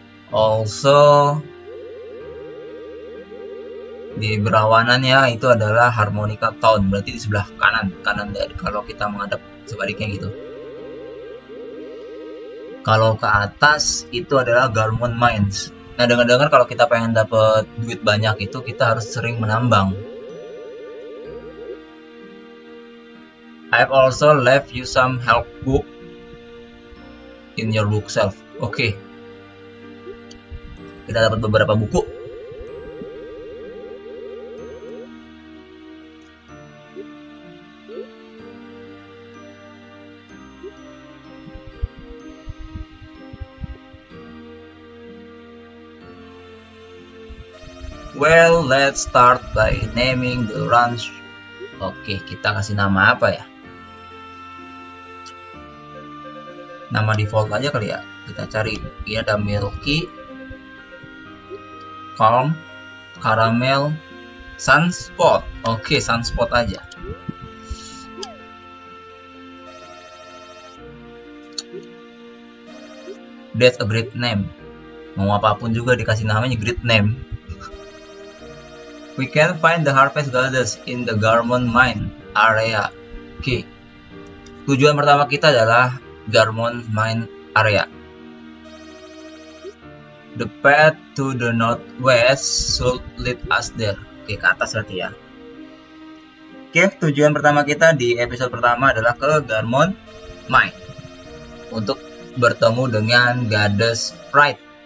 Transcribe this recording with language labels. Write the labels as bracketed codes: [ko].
[id] Also, di berawanannya itu adalah Harmonica Town, berarti di sebelah kanan, kanan dari kalau kita menghadap sebaliknya gitu. Kalau ke atas itu adalah Garmon Mines. Nah, dengar-dengar kalau kita pengen dapat duit banyak itu kita harus sering menambang. [en] I've also left you some help book in your bookshelf. Okay. [id] Kita dapat beberapa buku. [en] Well, let's start by naming the ranch. [id] Oke, kita kasih nama apa ya? Nama default aja kali ya. Kita cari. Ini ada Milky, Calm, Caramel, Sunspot. Oke, Sunspot aja. [en] That's a great name. [id] Mau apapun juga dikasih namanya great name. [en] We can find the harvest goddess in the Garmon Mine area. [id] Oke. Tujuan pertama kita adalah Garmon Mine area. [en] The path to the northwest should lead us there. [id] Oke, ke atas berarti ya. Oke, tujuan pertama kita di episode pertama adalah ke Garmon Mine untuk bertemu dengan goddess Pride.